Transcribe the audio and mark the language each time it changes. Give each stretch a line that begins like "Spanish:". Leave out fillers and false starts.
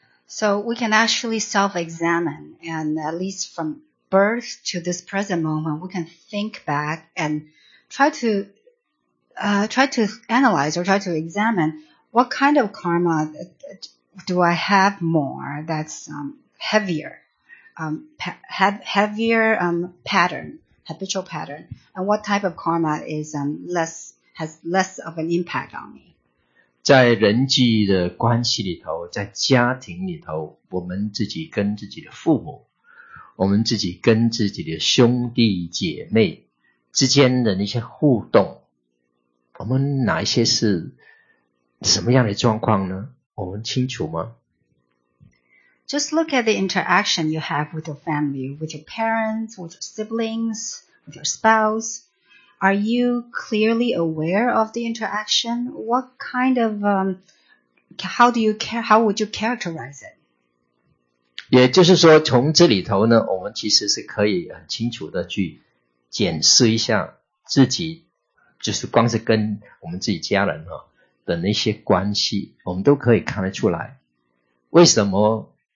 English: So we can actually self-examine, and at least from birth to this present moment, we can think back and try to analyze or try to examine what kind of karma do I have more that's habitual pattern, and what type of karma has less of an impact on me.
Chinese: 在人际的关系里头，在家庭里头，我们自己跟自己的父母，我们自己跟自己的兄弟姐妹之间的那些互动，我们哪一些是什么样的状况呢？我们清楚吗？
English: Just look at the interaction you have with your family, with your parents, with your siblings, with your spouse. Are you clearly aware of the interaction? What kind of, how would you characterize it?
Chinese: 也就是说，从这里头呢，我们其实是可以很清楚的去检视一下自己，就是光是跟我们自己家人啊的那些关系，我们都可以看得出来，为什么